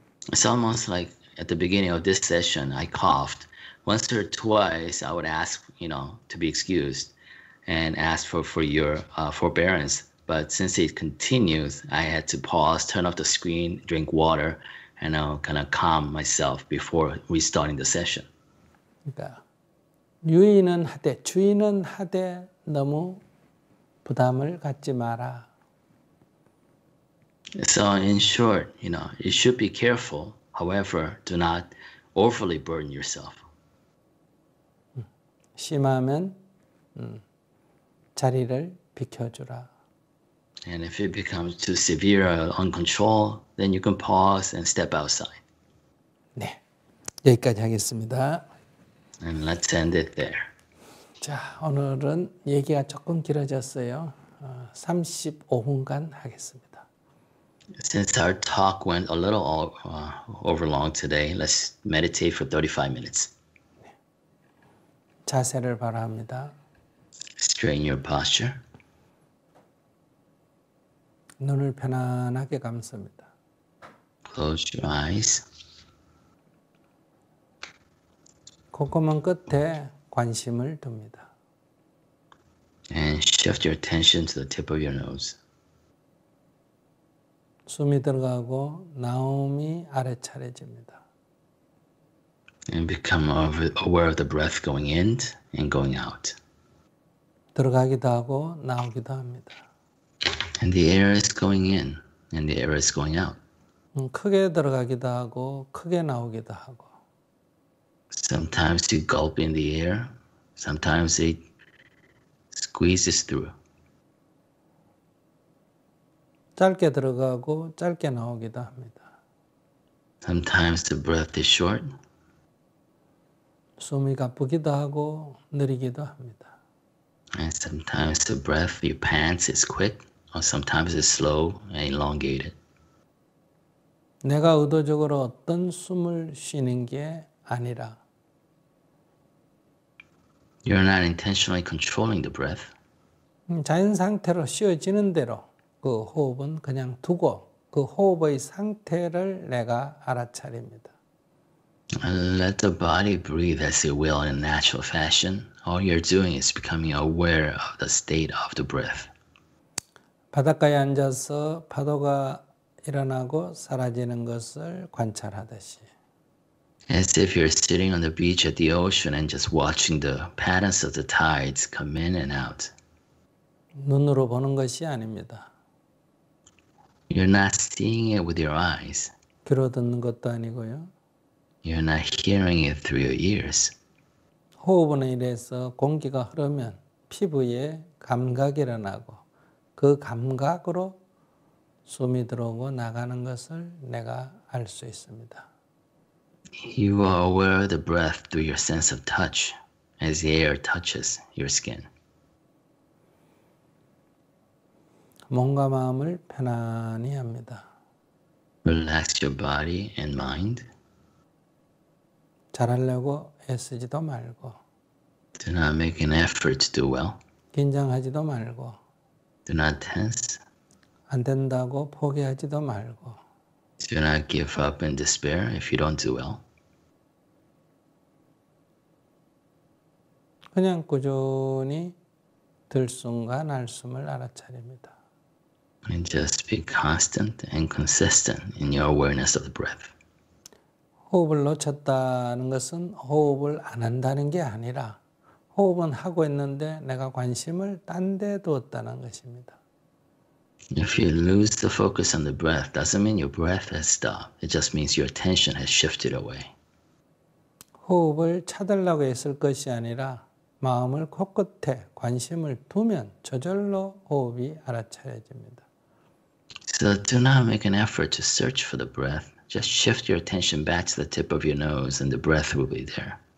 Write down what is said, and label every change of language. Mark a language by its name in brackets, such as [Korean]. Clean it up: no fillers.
[English] It's almost like at the beginning of this session, I coughed once or twice. I would ask, you know, to be excused and ask for your forbearance. But since it continues, I had to pause, turn off the screen, drink water, and I'll kind of calm myself before restarting the session. [Korean] 그러니까 유인은 하되 주인은 하되 너무 부담을 갖지 마라. [English] So in short, you know, you should be careful. However, do not overly burden yourself. [Korean] 심하면 자리를 비켜주라. [English] And if it becomes too severe or uncontrolled, then you can pause and step outside. [Korean] 네, 여기까지 하겠습니다. [English] And let's end it there. [Korean] 자, 오늘은 얘기가 조금 길어졌어요. 35분간 하겠습니다. [English] Since our talk went a little over long today, let's meditate for 35 minutes. [Korean] 자세를 바라합니다. [English] Strain your posture. [Korean] 눈을 편안하게 감습니다. [English] Close your eyes. [Korean] 콧구멍 끝에 관심을 둡니다. [English] And shift your attention to the tip of your nose. [Korean] 숨이 들어가고 나옴이 아래차려집니다. [English] And become aware of the breath going in and going out. [Korean] 들어가기도 하고 나오기도 합니다. [English] And the air is going in and the air is going out. [Korean] 크게 들어가기도 하고 크게 나오기도 하고. [English] Sometimes you gulp in the air, sometimes it squeezes through. [Korean] 짧게 들어가고 짧게 나오기도 합니다. [English] Sometimes the breath is short. [Korean] 숨이 가쁘기도 하고 느리기도 합니다. [English] And sometimes the breath, your pants is quick, or sometimes it's slow and elongated. [Korean] 내가 의도적으로 어떤 숨을 쉬는 게 아니라. [English] You're not intentionally controlling the breath. [Korean] 자연 상태로 쉬어지는 대로. 그 호흡은 그냥 두고 그 호흡의 상태를 내가 알아차립니다. [English] Let the body breathe as it will in a natural fashion. All you're doing is becoming aware of the state of the breath. [Korean] 바닷가에 앉아서 파도가 일어나고 사라지는 것을 관찰하듯이. [English] As if you're sitting on the beach at the ocean and just watching the patterns of the tides come in and out. [Korean] 눈으로 보는 것이 아닙니다. [English] You're not seeing it with your eyes. [Korean] 귀로 듣는 것도 아니고요. [English] You're not hearing it through your ears. [Korean] 호흡을 이래서 공기가 흐르면 피부에 감각이 일어나고 그 감각으로 숨이 들어오고 나가는 것을 내가 알 수 있습니다. [English] You are aware of the breath through your sense of touch as the air touches your skin. [Korean] 몸과 마음을 편안히 합니다. [English] Relax your body and mind. [Korean] 잘하려고 애쓰지도 말고. [English] Do not make an effort to do well. [Korean] 긴장하지도 말고. [English] Do not tense. [Korean] 안 된다고 포기하지도 말고. [English] Do not give up in despair if you don't do well. [Korean] 그냥 꾸준히 들숨과 날숨을 알아차립니다. [English] And just be constant and consistent in your awareness of the breath. [Korean] 호흡을 놓쳤다는 것은 호흡을 안 한다는 게 아니라 호흡은 하고 있는데 내가 관심을 딴 데 두었다는 것입니다. [English] If you lose the focus on the breath, doesn't mean your breath has stopped. It just means your attention has shifted away. [Korean] 호흡을 찾으려고 했을 것이 아니라 마음을 코끝에 관심을 두면 저절로 호흡이 알아차려집니다. [English] So do not make an effort to search for the breath. Just shift your attention back to the tip of your nose and the breath will be there.